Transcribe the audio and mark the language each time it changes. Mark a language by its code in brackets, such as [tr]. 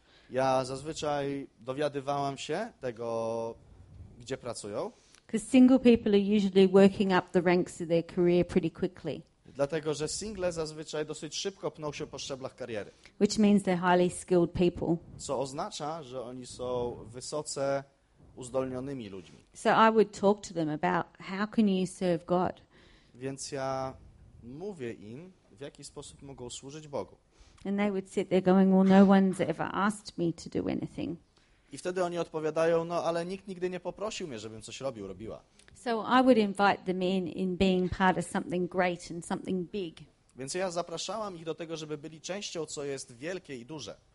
[pl] Ja zazwyczaj dowiadywałam się tego, gdzie pracują. [en] Because single people are usually working up the ranks of their career pretty quickly. [pl] Dlatego, że single zazwyczaj dosyć szybko pną się po szczeblach kariery. [en] Which means they're highly skilled people. [pl] Co oznacza, że oni są wysoce uzdolnionymi ludźmi. [en] So I would talk to them about how can you serve God. [pl] Więc ja mówię im, w jaki sposób mogą służyć Bogu. [en] And they would sit there going, well, no one's ever asked me to do anything. [pl] I wtedy oni odpowiadają, no ale nikt nigdy nie poprosił mnie, żebym coś robił, robiła. [en] So I would invite them in being part of something great and something big. [pl] Więc ja zapraszałam ich do tego, żeby byli częścią, co jest wielkie i duże.